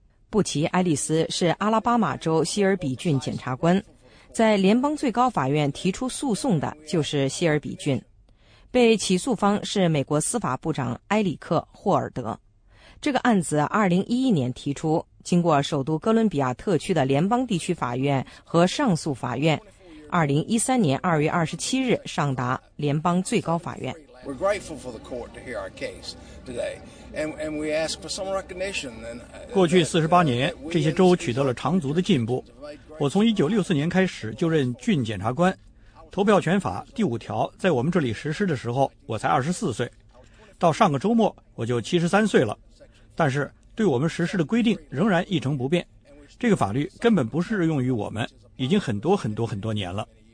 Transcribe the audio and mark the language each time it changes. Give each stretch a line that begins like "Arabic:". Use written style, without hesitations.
Chinese: 布奇·埃利斯是阿拉巴马州希尔比郡检察官，在联邦最高法院提出诉讼的就是希尔比郡，被起诉方是美国司法部长埃里克·霍尔德。这个案子2011年提出，经过首都哥伦比亚特区的联邦地区法院和上诉法院，2013年2月27日上达联邦最高法院。
English: We're grateful for the court to hear our case today, and we ask for some recognition.
Chinese: 过去四十八年，这些州取得了长足的进步。我从1964年开始就任郡检察官，投票权法第五条在我们这里实施的时候，我才24岁。到上个周末，我就73岁了。但是对我们实施的规定仍然一成不变，这个法律根本不适用于我们，已经很多很多很多年了。